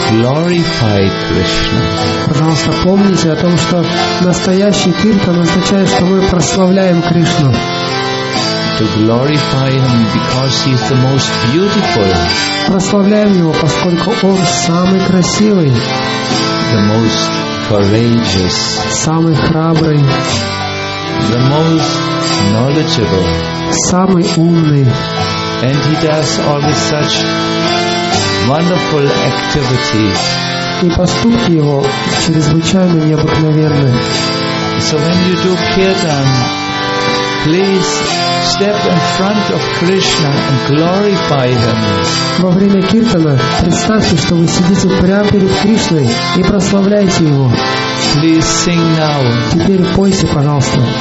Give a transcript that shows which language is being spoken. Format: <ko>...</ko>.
<ru>Пожалуйста, помните о том, что настоящий киртан означает, что мы прославляем Кришну.</ru> <en>To glorify him because he is the most beautiful.</en> <ru>Прославляем его, поскольку он самый красивый.</ru> <en>The most courageous.</en> <ru>Самый храбрый.</ru> <en>The most knowledgeable.</en> <ru>Самый умный.</ru> <en>And he does all this such wonderful activities.</en> <ru>И поступки его чрезвычайно необыкновенны.</ru> <en>So when you do kirtan, please step in front of Krishna and glorify him.</en> <ru>Во время киртана представьте, что вы сидите прямо перед Кришной и прославляете его.</ru> <en>Please sing now.</en> <ru>Теперь пойте, пожалуйста.</ru>